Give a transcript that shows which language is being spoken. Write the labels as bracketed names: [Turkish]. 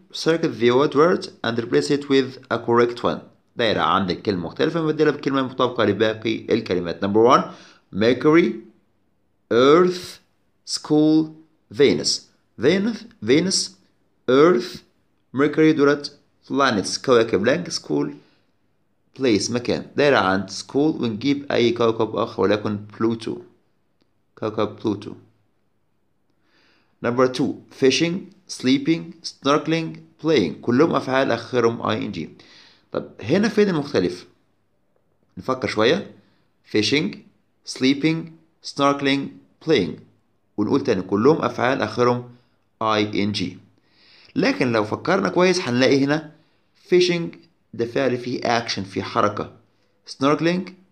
[English] Circle the odd word and replace it with a correct one. [Arabic] دائرة عندك كلمة مختلفة مبدلة بكلمة مطابقة لباقي الكلمات. [English] Number 1. Mercury, Earth, School, Venus. Venus, Earth, Mercury, دولت planets. [Arabic] كواكب لانك school. place مكان دائرة عند school ونجيب أي كوكب آخر ولكن بلوتو كوكب بلوتو number 2 fishing sleeping snorkeling playing كلهم أفعال آخرهم ing طب هنا فين المختلف نفكر شوية fishing sleeping snorkeling playing ونقول تاني كلهم أفعال آخرهم ing لكن لو فكرنا كويس هنلاقي هنا fishing ده فعل فيه action في حركة snorkeling